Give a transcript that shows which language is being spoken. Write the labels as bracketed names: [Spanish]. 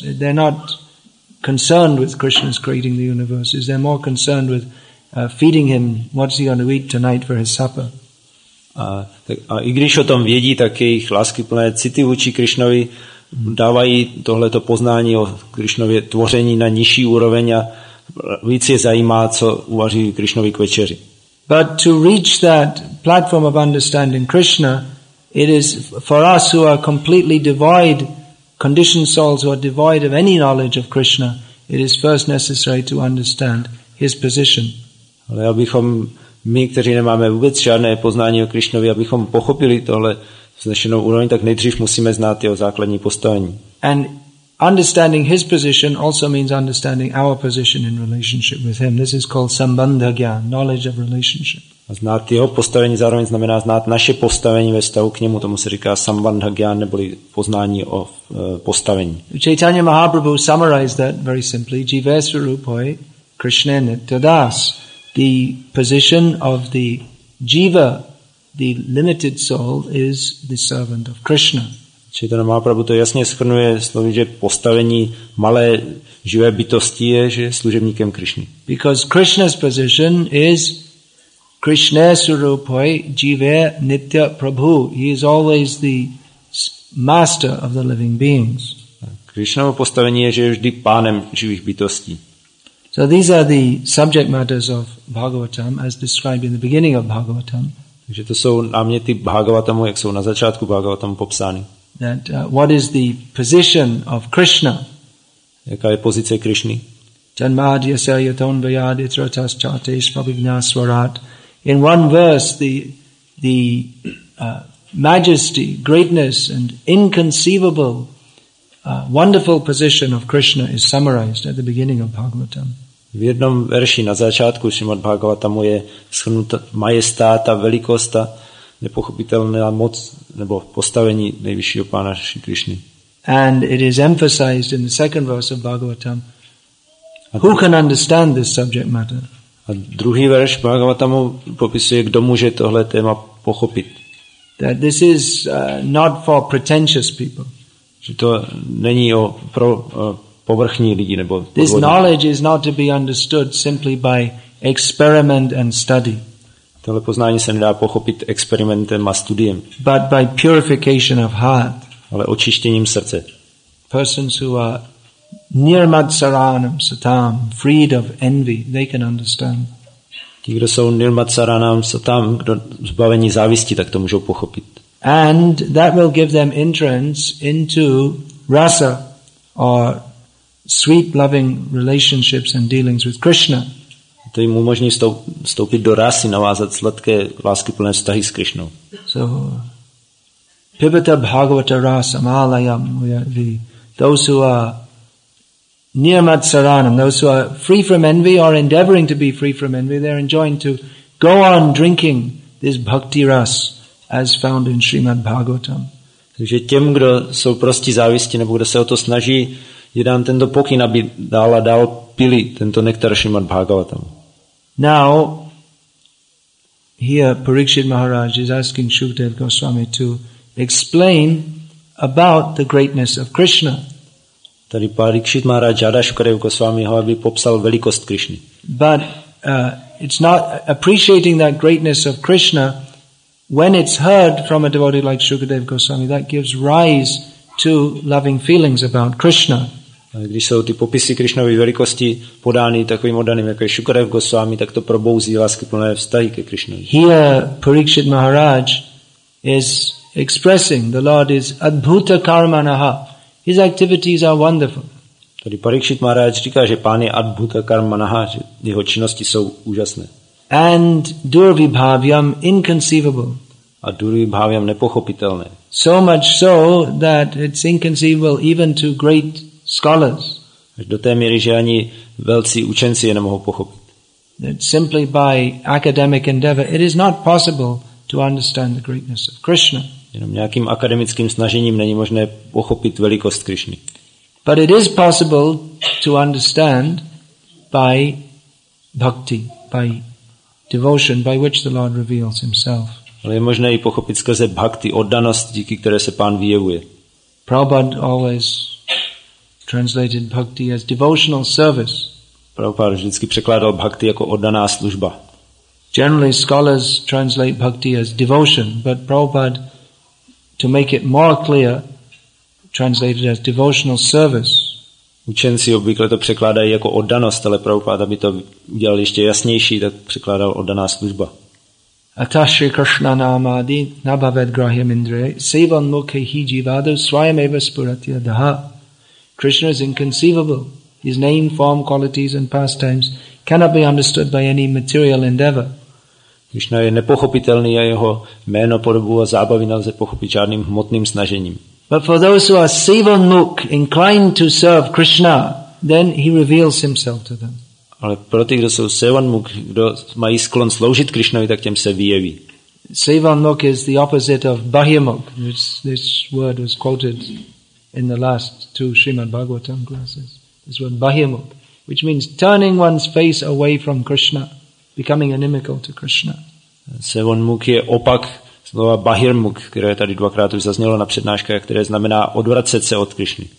[English] They're not concerned with Krishna's creating the universes. They're more concerned with feeding him, what's he going to eat tonight for his supper. [Czech] A i když o tom vědí, tak jejich láskyplné city vůči Krishnovi dávají tohleto poznání o Krishnově tvoření na nižší úroveň a víc je zajímá, co uvaří Krishnovi k večeři. [English] But to reach that platform of understanding Krishna, it is for us who are completely devoid, conditioned souls who are devoid of any knowledge of Krishna, it is first necessary to understand his position. [Czech] Ale abychom my, kteří nemáme vůbec žádné poznání o Krišnovi, abychom pochopili tohle vznešenou úroveň, tak nejdřív musíme znát jeho základní postavení. [English] And understanding his position also means understanding our position in relationship with him. This is called sambandha jnana, knowledge of relationship. [Czech] A znát jeho postavení zároveň znamená znát naše postavení ve vztahu k němu. Tomu se říká sambandha jnana, neboli poznání o postavení. [English] Chaitanya Mahaprabhu summarized that very simply. [Sanskrit] Jivesu rupoi Krishna nitya das. [English] The position of the jiva, the limited soul, is the servant of Krishna. [Czech] Chaitanya Mahaprabhu to jasně shrnuje slovy, že postavení malé živé bytosti je, že je služebníkem Krishny. [English] Because Krishna's position is [Sanskrit] Krishna surupoi jive nitya prabhu. [English] He is always the master of the living beings. [Czech] Krishnovo postavení je, že je vždy pánem živých bytostí. [English] So these are the subject matters of Bhagavatam as described in the beginning of Bhagavatam. [Czech] Takže to jsou náměty Bhagavatamu, jak jsou na začátku Bhagavatamu popsány. [English] That what is the position of Krishna? [Czech] Jaká je pozice Krishny? [Sanskrit] Janmadhyasayatonvayaditratashchateshvabhignaswarat. [English] In one verse, the majesty, greatness, and inconceivable, wonderful position of Krishna is summarized at the beginning of Bhagavatam. [Czech] V jednom verši na začátku Srimad Bhagavatamu je shrnuta majestáta, velikosta, nepochopitelná moc nebo postavení nejvyššího pána Šri Krišny. [English] And it is emphasized in the second verse of Bhagavatam. Who can understand this subject matter? [Czech] A druhý verš Bhagavatamu popisuje, kdo může tohle téma pochopit. [English] That this is not for pretentious people. [Czech] Že to není o pro povrchní lidi nebo podvodní. [English] This knowledge is not to be understood simply by experiment and study. [Czech] Tohle poznání se nedá pochopit experimentem a studiem. [English] But by purification of heart. [Czech] Ale očištěním srdce. [English] Persons who are near Matsaranam Satam, freed of envy, they can understand. [Czech] Ti, kdo jsou nirmatsaranam satam, kdo zbavení závisti, tak to můžou pochopit. [English] And that will give them entrance into rasa or sweet loving relationships and dealings with Krishna. [Czech] To jim umožní vstoupit do rasy, navázat sladké láskyplné vztahy s Krishnou. [English] So [Sanskrit] pibata bhagavata rasa malayam, [English] those who are near Matsaranam, those who are free from envy or endeavoring to be free from envy, they are enjoined to go on drinking this bhakti ras as found in Srimad Bhagavatam. [Czech] Takže těm, kdo jsou prostí závisti nebo kdo se o to snaží, je dán tento pokyn, aby dál a dál pili tento nektar Srimad Bhagavatam. [English] Now, here Parikshit Maharaj is asking Shukadev Goswami to explain about the greatness of Krishna. [Czech] Tady Parikshit Maharaj žádá Shukadeva Goswamiho, aby popsal velikost Krishny. [English] But it's not appreciating that greatness of Krishna when it's heard from a devotee like Shukadeva Goswami that gives rise to loving feelings about Krishna. [Czech] A když jsou ty popisy Krishnovy velikosti podány takovým oddaným jako Shukadeva Goswami, tak to probouzí láskyplné vztahy ke Krishnovi. [English] Here Parikshit Maharaj is expressing the Lord is adbhuta karmanaha. His activities are wonderful. [Czech] Tady Parikshit Maharaj říká, že pán je adbhuta karmanaha, že jeho činnosti jsou úžasné. [English] And durvibhavyam inconceivable. [Czech] A durvibhavyam nepochopitelné. [English] So much so that it's inconceivable even to great scholars. [Czech] Až do té míry, že ani velcí učenci je nemohou pochopit. [English] That simply by academic endeavor, it is not possible to understand the greatness of Krishna. [Czech] Jenom nějakým akademickým snažením není možné pochopit velikost Krišny. [English] But it is possible to understand by bhakti, by devotion, by which the Lord reveals himself. [Czech] Ale je možné i pochopit skrze bhakti, oddanost, díky které se pán vyjevuje. [English] Prabhupada always translated bhakti as devotional service. [Czech] Prabhupada vždycky překládal bhakti jako oddaná služba. [English] Generally scholars translate bhakti as devotion, but Prabhupada, to make it more clear, translated as devotional service. [Czech] Učenci obvykle to překládají jako oddanost, ale Prabhupada, aby to udělal ještě jasnější, tak překládal oddaná služba. [Sanskrit] Ata Shri Krishna namadi nabhaved grahyam indriye sevan mukhe hi jivadu swayam eva spurati adaha. [English] Krishna is inconceivable. His name, form, qualities and pastimes cannot be understood by any material endeavor. [Czech] Krishna je nepochopitelný a jeho jméno, podobu a zábavy nelze pochopit žádným hmotným snažením. [English] But for those who are sevanmukh, inclined to serve Krishna, then he reveals himself to them. [Czech] Ale pro ty, kdo jsou sevanmukh, kdo mají sklon sloužit Krishnovi, tak těm se vyjeví. [English] Sevanmukh is the opposite of bahyamukh. This word was quoted in the last two Srimad Bhagavatam classes. This word bahyamukh, which means turning one's face away from Krishna, becoming inimical to Krishna. [Czech] Sevanmukh je opak slova bahirmukh, které tady dvakrát už zaznělo na přednáškách, které znamená odvracet se od Krishny.